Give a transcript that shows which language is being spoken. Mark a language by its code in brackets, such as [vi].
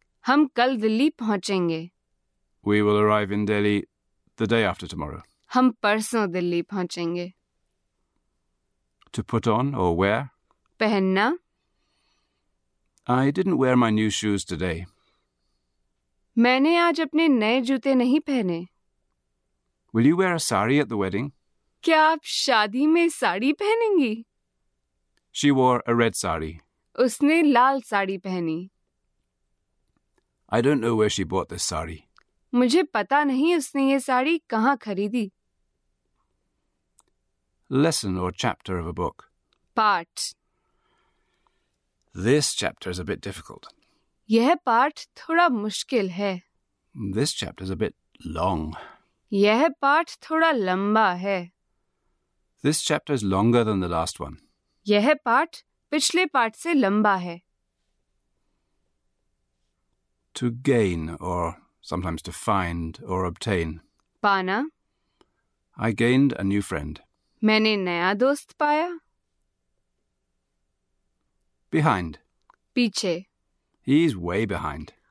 [hi] Hum kal Delhi pahunchenge. [en] We will arrive in Delhi the day after tomorrow. [hi] Hum parso Delhi pahunchenge. [en] To put on or wear? [hi] Pehenna. [en] I didn't wear my new shoes today. [hi] मैंने आज अपने नए जूते नहीं पहने. [en] Will you wear a sari at the wedding? [hi] क्या आप शादी में sari पहनेंगी? [en] She wore a red sari. [hi] उसने लाल साड़ी पहनी. [en] I don't know where she bought this sari. [hi] मुझे पता नहीं उसने ये साड़ी कहाँ खरीदी. [en] Lesson or chapter of a book. [hi] Part. [en] This chapter is a bit difficult. [hi] यह पाठ थोड़ा मुश्किल है. [en] This chapter is a bit long. [hi] यह पाठ थोड़ा लंबा है. [en] This chapter is longer than the last one. [hi] यह पाठ पिछले पाठ से लंबा है. [en] To gain or sometimes to find or obtain. [hi] पाना. [en] I gained a new friend. [hi] मैंने नया दोस्त पाया. [en] Behind. [hi] पीछे. [en] He's way behind.